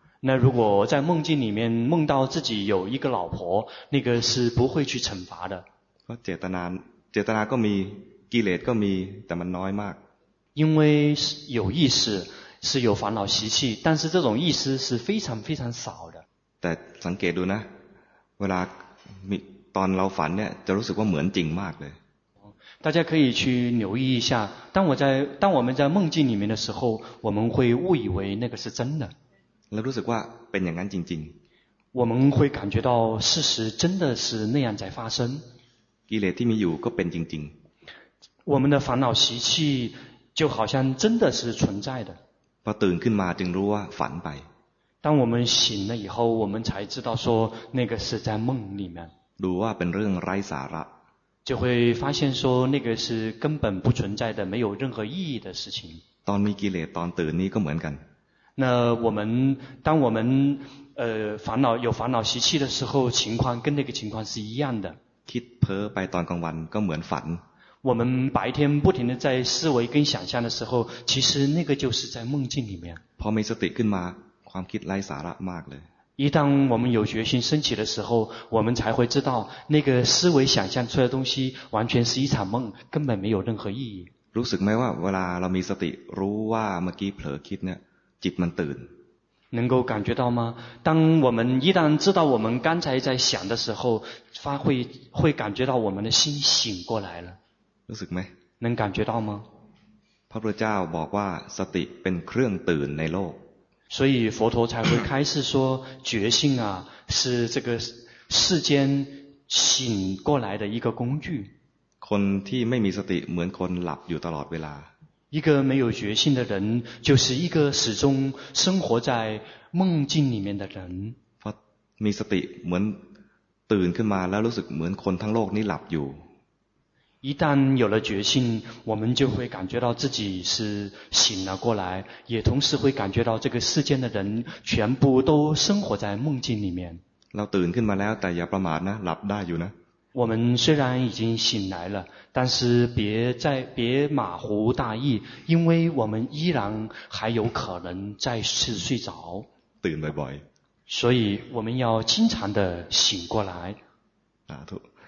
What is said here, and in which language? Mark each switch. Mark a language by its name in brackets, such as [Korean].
[Chinese] 那如果在梦境里面梦到自己有一个老婆，那个是不会去惩罚的。 [Thai] เจตนา เจตนาก็มี กิเลสก็มี แต่มันน้อยมาก。 [Chinese] 因为有意识。是有烦恼习气但是这种意思是非常非常少的 [Thai] แต่สังเกตดูนะเวลามีตอนเราฝันเนี่ยจะรู้สึกว่าเหมือนจริงมากเลย [Chinese] 大家可以去留意一下当我们在梦境里面的时候我们会误以为那个是真的 [Thai] แล้วรู้สึกว่าเป็นอย่างนั้นจริง [Chinese] ๆ我们会感觉到事实真的是那样在发生 [Thai] กิเลสที่มีอยู่ก็เป็นจริง [Chinese] ๆ我们的烦恼习气就好像真的是存在的 [Thai] พอตื่นขึ้นมาจึงรู้ว่าฝันไป [Chinese] 当我们醒了以后我们才知道说那个是在梦里面 [Thai] ดูว่าเป็นเรื่องไร้สาระ [Chinese] 就会发现说那个是根本不存在的没有任何意义的事情 [Thai] ตอนมีกิเลสตอนตื่นนี้ก็เหมือนกัน [Chinese] 那我们当我们烦恼有烦恼习气的时候，情况跟那个情况是一样的。 [Thai] คิดเพ้อไปตอนกลางวันก็เหมือนฝัน。 [Chinese] 我们白天不停的在思维跟想象的时候，其实那个就是在梦境里面。 [Thai] พอมีสติขึ้นมาความคิดไร้สาระมากเลย。 [Chinese] 一旦我们有决心升起的时候，我们才会知道那个思维想象出来的东西完全是一场梦，根本没有任何意义。 [Thai] รู้สึกไหมว่าเวลาเรามีสติรู้ว่าเมื่อกี้เผลอคิดเนี่ยจิตมันตื่น。 [Chinese] 能够感觉到吗？当我们一旦知道我们刚才在想的时候，会感觉到我们的心醒过来了。 [Thai] รู้สึกไหม [Chinese] 能感觉到吗 [Thai] พระพุทธเจ้าบอกว่าสติเป็นเครื่องตื่นในโลก [Chinese] 所以佛陀才会开示说觉性啊是这个世间醒过来的一个工具 [Thai] คนที่ไม่มีสติเหมือนคนหลับอยู่ตลอดเวลา [Chinese] 一个没有觉性的人就是一个始终生活在梦境里面的人 [Thai] พอมีสติเหมือนตื่นขึ้นมาแล้วรู้สึกเหมือนคนทั้งโลกนี้หลับอยู่ [Chinese] 一旦有了觉性，我们就会感觉到自己是醒了过来，也同时会感觉到这个世间的人全部都生活在梦境里面。 [Thai] เราตื่นขึ้นมาแล้วแต่อย่าประมาทนะหลับได้อยู่นะ [Chinese] 我们虽然已经醒来了，但是别马虎大意，因为我们依然还有可能再次睡着。 [Thai] ตื่นบ่อย [Chinese] 所以我们要经常的醒过来。啊，都。